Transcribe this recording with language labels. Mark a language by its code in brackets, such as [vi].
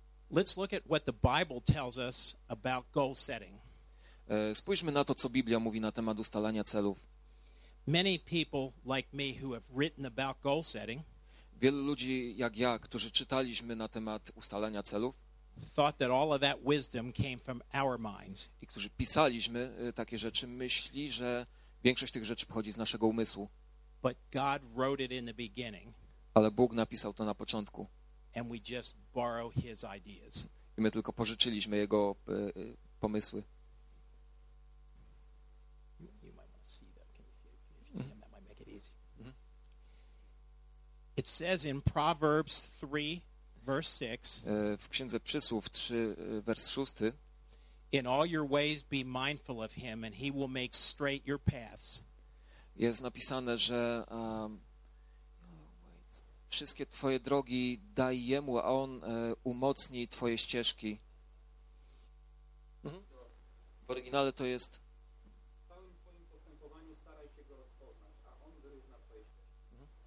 [en] Let's look at what the Bible tells us about goal setting. [pl] Spójrzmy na to, co Biblia mówi na temat ustalania celów. [en] Many people like me who have written about goal setting, [pl] wielu ludzi jak ja, którzy czytaliśmy na temat ustalania celów, [en] thought that all of that wisdom came from our minds. [pl] I którzy pisaliśmy takie rzeczy, myśli, że większość tych rzeczy pochodzi z naszego umysłu. [en] But God wrote it in the beginning. [pl] Ale Bóg napisał to na początku. [en] And we just borrow his ideas. [pl] I my tylko pożyczyliśmy jego pomysły. [en] You might want to see that. If you see him, that might make it easy. Mm-hmm. It says in Proverbs 3, verse 6, [pl] w Księdze Przysłów 3, vers 6, [en] in all your ways be mindful of him, and he will make straight your paths. [pl] Jest napisane, że wszystkie twoje drogi daj jemu, a on umocni twoje ścieżki. Mhm. W oryginale to jest... W całym twoim postępowaniu staraj się go rozpoznać, a on wyrówna twoje ścieżki.